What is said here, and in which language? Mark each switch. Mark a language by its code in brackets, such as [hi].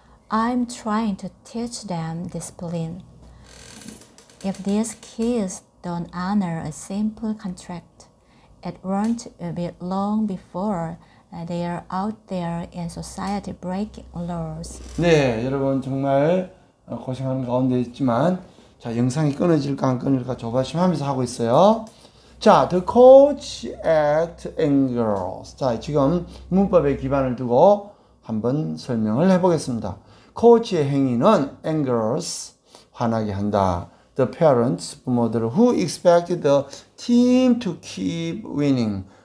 [en] I'm trying to teach them discipline. If these kids don't honor a simple contract, it won't be long before they are out there in society breaking laws. [ko] 네, 여러분 정말 고생하는 가운데 있지만 자, 영상이 끊어질까 안 끊어질까 조바심하면서 하고 있어요. [en] 자, The coach act angers. [ko] 자, 지금 문법의 기반을 두고 한번 설명을 해보겠습니다. 코치의 행위는 angers, 화나게 한다. [en] The parents, [ko] 부모들, [en] who expected the team to keep winning.